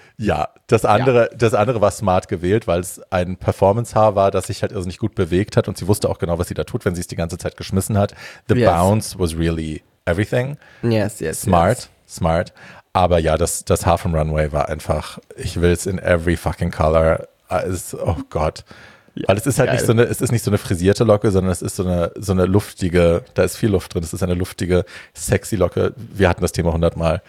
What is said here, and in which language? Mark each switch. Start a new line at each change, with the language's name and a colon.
German: Ja, das andere war smart gewählt, weil es ein Performance-Haar war, das sich halt irrsinnig gut bewegt hat und sie wusste auch genau, was sie da tut, wenn sie es die ganze Zeit geschmissen hat.
English: The bounce was really everything. Yes, yes. Smart.
German: Aber ja, das Haar vom Runway war einfach, ich will es
English: in every fucking color.
German: Oh Gott. Ja, weil es ist nicht so eine frisierte Locke, sondern es ist so eine luftige, da ist viel Luft drin, es ist eine luftige, sexy Locke. Wir hatten das Thema 100-mal.